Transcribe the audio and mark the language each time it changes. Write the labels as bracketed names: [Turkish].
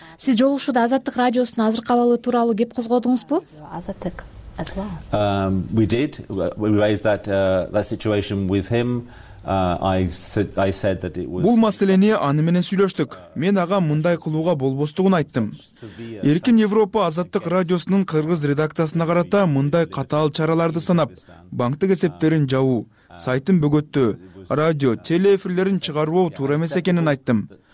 [Kyrgyz] Сиз жолугушууда Азаттык радиосунун азыркы абалы тууралуу кеп козгодуңузбу? [English] Азаттык as well. We did. We raised that that situation with him. I said that it was. [Kyrgyz] Бул маселени аны менен сүйлөштүк. Мен ага мындай кылууга болбостугун айттым. Эркин Европа Азаттык радиосунун кыргыз редакциясына карата мындай катаал чараларды санап, банктык эсептерин жабуу, сайтын бөгөттөө, радио, телеэфирлерин чыгаруу туура эмес экенин айттым.